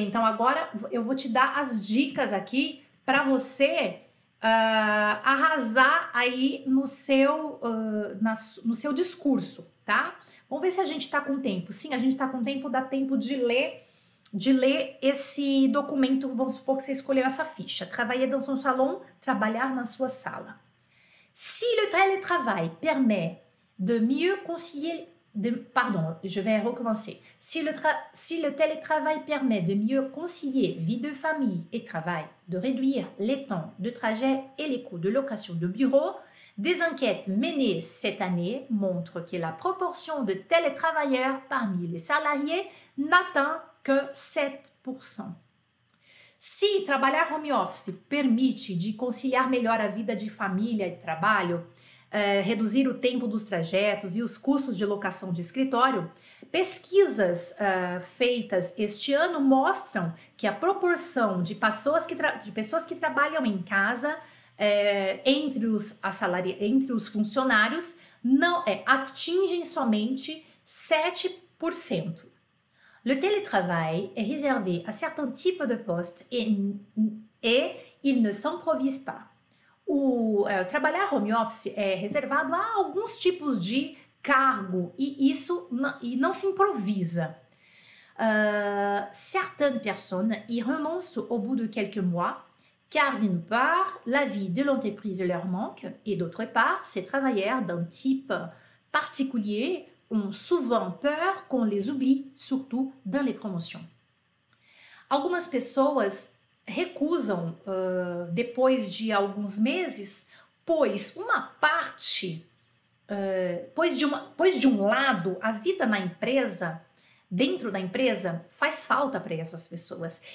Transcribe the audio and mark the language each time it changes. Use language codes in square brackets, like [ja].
[pt] Então, agora eu vou te dar as dicas aqui para você arrasar aí no seu discurso, tá? Vamos ver se a gente tá com tempo. Sim, a gente tá com tempo, dá tempo de ler esse documento, vamos supor que você escolheu essa ficha. [fr] Travailler dans son salon, [pt] trabalhar na sua sala. [fr] Si le télétravail permet de mieux concilier. Pardon, je vais recommencer. Si le télétravail permet de mieux concilier vie de famille et travail, de réduire les temps de trajet et les coûts de location de bureau, des enquêtes menées cette année montrent que la proportion de télétravailleurs parmi les salariés n'atteint que 7%. [pt] Se trabalhar home office permite de conciliar melhor a vida de família e trabalho, reduzir o tempo dos trajetos e os custos de locação de escritório, pesquisas, feitas este ano mostram que a proporção de pessoas que trabalham em casa, entre os funcionários não é atingem somente 7%. [fr] Le télétravail est réservé à certains types de postes et il ne s'improvise pas. [pt] Trabalhar home office é reservado a alguns tipos de cargo e não se improvisa. [fr] Certaines personnes y renoncent au bout de quelques mois, car d'une part, la vie de l'entreprise leur manque, et d'autre part, ces travailleurs d'un type particulier ont souvent peur qu'on les oublie, surtout dans les promotions. [pt] Algumas pessoas recusam depois de alguns meses, pois de um lado, a vida na empresa, dentro da empresa, faz falta para essas pessoas.